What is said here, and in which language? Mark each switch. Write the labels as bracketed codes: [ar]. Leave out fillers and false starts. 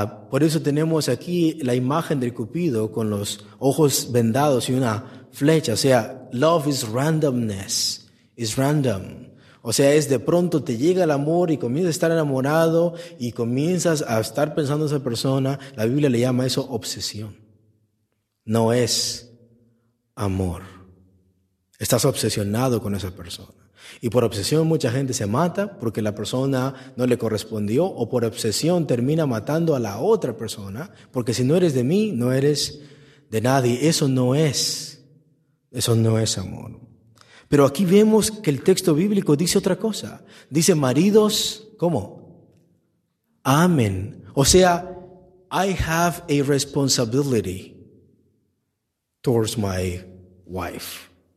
[es] por eso tenemos aquí la imagen del Cupido con los ojos vendados y una flecha. O sea, [en] love is randomness. It's random. [es] O sea, es de pronto te llega el amor y comienzas a estar enamorado y comienzas a estar pensando en esa persona. La Biblia le llama eso obsesión. No es amor. Estás obsesionado con esa persona. Y por obsesión mucha gente se mata porque la persona no le correspondió, o por obsesión termina matando a la otra persona, porque si no eres de mí, no eres de nadie. Eso no es amor. Pero aquí vemos que el texto bíblico dice otra cosa. Dice, maridos, ¿cómo? Amen. O sea, [en] I have a responsibility towards my wife.